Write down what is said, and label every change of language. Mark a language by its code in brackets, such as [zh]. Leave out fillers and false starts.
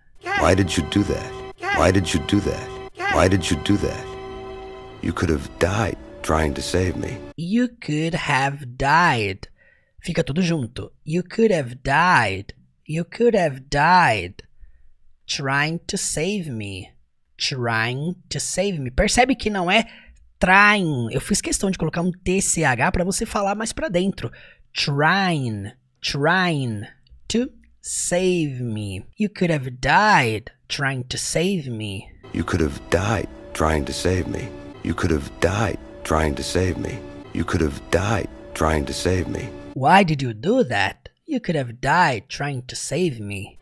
[en] Why did you do that? Why did you do that? Why did you do that? You could have died trying to save me. You could have died. [pt] Fica tudo junto. [en] You could have died. You could have died trying to save me. Trying to save me. [pt] Percebe que não é [en] trying. [pt] Eu fiz questão de colocar um TCH para você falar mais para dentro. [en] Trying. Trying to save me. You could have died trying to save me. You could have died trying to save me. You could have died trying to save me. You could have died trying to save me. Why did you do that? You could have died trying to save me.